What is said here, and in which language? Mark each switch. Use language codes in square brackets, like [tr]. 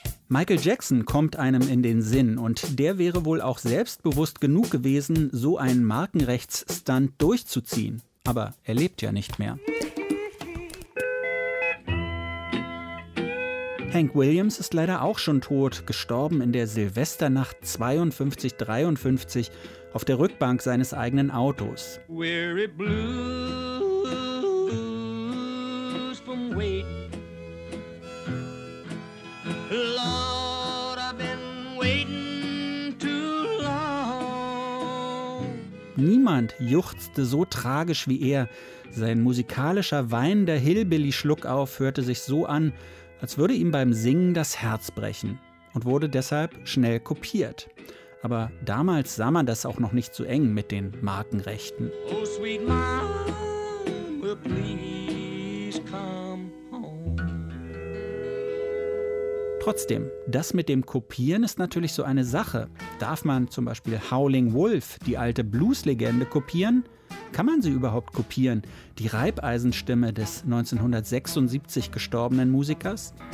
[de] Michael Jackson kommt einem in den Sinn und der wäre wohl auch selbstbewusst genug gewesen, so einen Markenrechtsstunt durchzuziehen. Aber er lebt ja nicht mehr. Hank Williams ist leider auch schon tot, gestorben in der Silvesternacht 52-53 auf der Rückbank seines eigenen Autos. [en] Weary blues from waiting. Lord, I've been waiting too long. [de] Niemand juchzte so tragisch wie er. Sein musikalischer, weinender Hillbilly-Schluckauf hörte sich so an, als würde ihm beim Singen das Herz brechen und wurde deshalb schnell kopiert. Aber damals sah man das auch noch nicht so eng mit den Markenrechten. [en] Oh, sweet mama, please come home. [de] Trotzdem, das mit dem Kopieren ist natürlich so eine Sache. Darf man zum Beispiel Howling Wolf, die alte Blueslegende, kopieren? Kann man sie überhaupt kopieren? Die Reibeisenstimme des 1976 gestorbenen Musikers?